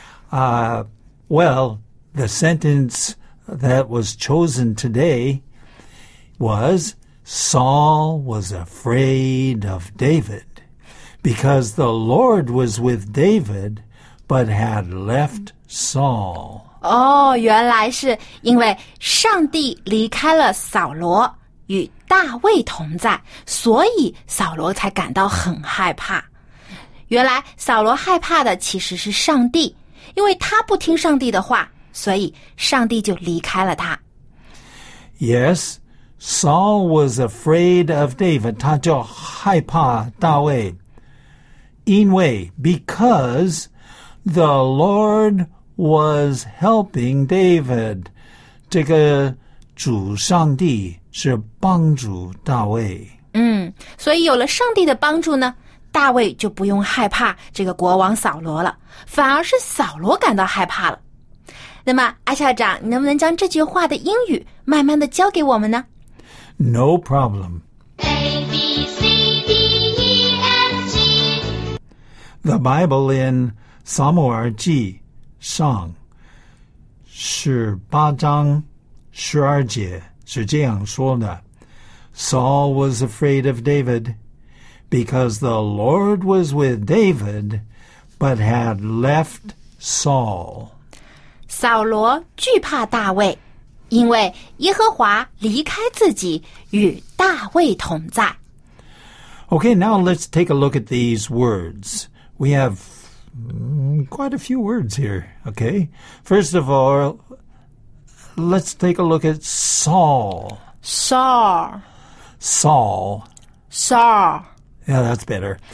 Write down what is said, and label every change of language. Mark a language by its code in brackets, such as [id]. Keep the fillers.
[en] uh, well, the sentence that was chosen today was Saul was afraid of David。 because the Lord was with David but had left Saul. [zh] 哦，原来是因为上帝离开了扫罗，与大卫同在，所以扫罗才感到很害怕。原来扫罗害怕的其实是上帝，因为他不听上帝的话，所以上帝就离开了他。 [en] Yes, Saul was afraid of David， [zh] 他就害怕大卫。 [en] 嗯 in way because the Lord was helping David. [zh] 这个主上帝是帮助大卫。嗯，所以有了上帝的帮助呢，大卫就不用害怕这个国王扫罗了，反而是扫罗感到害怕了。那么，阿校长，你能不能将这句话的英语慢慢的教给我们呢 [en] ？No problem. the Bible in Samoar Ji Shang. [zh] 十八章十二节是这样说的, [en] Saul was afraid of David because the Lord was with David but had left Saul. [zh] 扫罗惧怕大卫,因为耶和华离开自己与大卫同在。 [en] Okay, now let's take a look at these words we have quite a few words here, okay? First of all, let's take a look at Saul. Saw. Saul. Saul. Saul. Yeah, that's better.